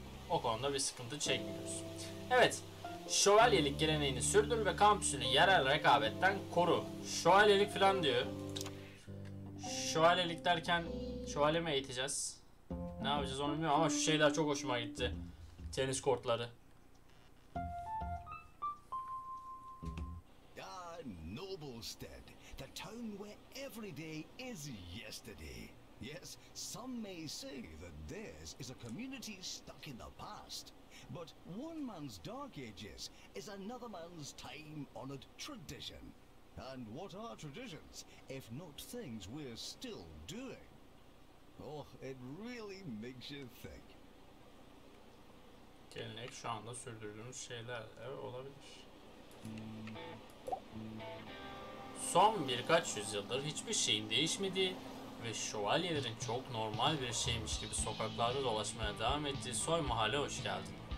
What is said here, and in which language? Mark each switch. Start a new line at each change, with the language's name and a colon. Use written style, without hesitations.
Turkish: O konuda bir sıkıntı çekmiyoruz. Evet, şövalyelik geleneğini sürdür ve kampüsünü yerel rekabetten koru. Şövalyelik falan diyor. Şövalyelik derken şövalye mi eğiteceğiz? Ne yapacağız onu bilmiyorum ama şu şeyler çok hoşuma gitti. Tenis kortları.
English: The noble stead, the town where every day is yesterday. Yes, some may say that theirs is a community stuck in the past. But one man's dark ages is another man's time-honored tradition. And what are traditions, if not things we're still doing? Oh, it really makes you think.
Turkish: Gelenek şu anda sürdürdüğümüz şeyler, evet olabilir. Son birkaç yüzyıldır hiçbir şeyin değişmediği ve şövalyelerin çok normal bir şeymiş gibi sokaklarda dolaşmaya devam ettiği Soy Mahalle hoş geldin.